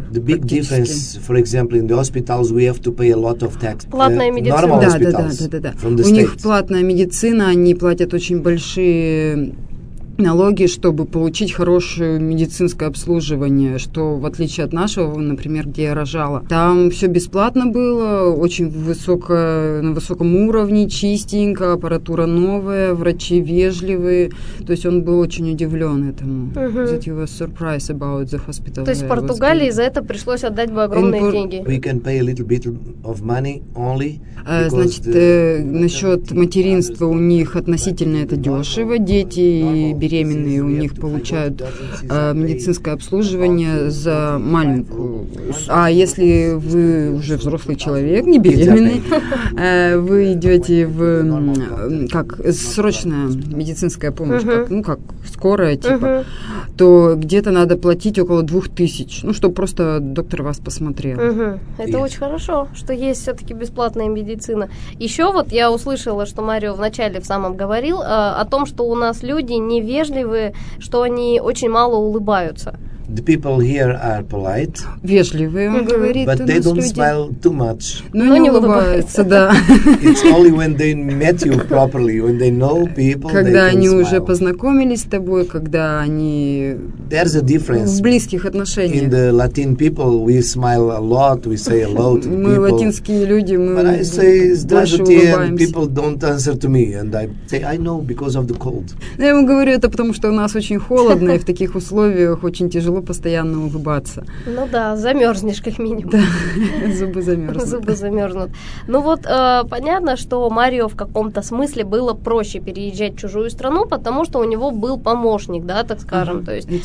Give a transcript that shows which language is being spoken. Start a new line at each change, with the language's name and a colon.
English: The big difference, for example, in the hospitals, we have to pay a lot of tax.
Russian: Платная медицина. Да. У них платная медицина, они платят очень большие налоги, чтобы получить хорошее медицинское обслуживание, что в отличие от нашего, например, где я рожала. Там все бесплатно было, очень высоко, на высоком уровне, чистенько, аппаратура новая, врачи вежливые. То есть он был очень удивлен этому.
English: That you were surprised about the hospital.
Russian: То есть в Португалии за это пришлось отдать бы огромные деньги.
English: We can pay a little bit of money only.
Russian: Значит, насчет материнства у них относительно это дешево. Дети и беременные у них получают медицинское обслуживание за маленькую. А если вы уже взрослый человек, не беременный, вы идете в как срочная медицинская помощь, как, ну как скорая типа, то где-то надо платить около 2000, ну чтобы просто доктор вас посмотрел. Это очень хорошо, что есть все-таки бесплатная медицина. Еще вот я услышала, что Марио вначале в самом говорил о том, что у нас люди невежливые, что они очень мало улыбаются.
English: The people here are polite.
Russian: Вежливые, он говорит.
English: But they don't smile too much.
Russian: Но не улыбаются, да.
English: It's only when they met you properly, when they know people,
Russian: когда
English: they can
Russian: они
English: smile.
Russian: Уже познакомились с тобой, когда они
English: There's a difference.
Russian: В близких отношениях.
English: In the Latin people, we smile a lot, we say hello to people.
Russian: Мы латинские люди, мы
English: But I say,
Russian: "Здравствуйте,"
English: and people don't answer to me, and I say, "I know because of the cold."
Russian: Я ему говорю это потому, что у нас очень холодно, и в таких условиях очень тяжело. Тяжело постоянно улыбаться. Ну да, замерзнешь как минимум. Да, зубы замерзнут. Зубы замерзнут. Ну вот, понятно, что Марио в каком-то смысле было проще переезжать в чужую страну, потому что у него был помощник, да, так скажем. То есть.